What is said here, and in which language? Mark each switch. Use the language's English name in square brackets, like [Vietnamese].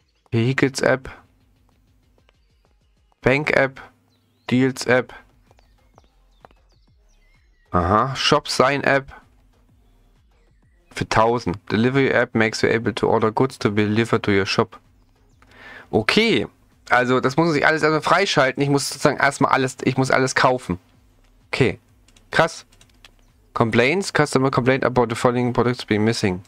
[English] Vehicles App. Bank App. Deals App. [German] Aha. Shop Sign App. Für 1000. [English] Delivery App makes you able to order goods to be delivered to your shop. Okay. [German] Also, das muss ich alles erstmal freischalten. Ich muss sozusagen erstmal alles, ich muss alles kaufen. Okay. Krass. Complaints. [English] Customer complaint about the following products being missing.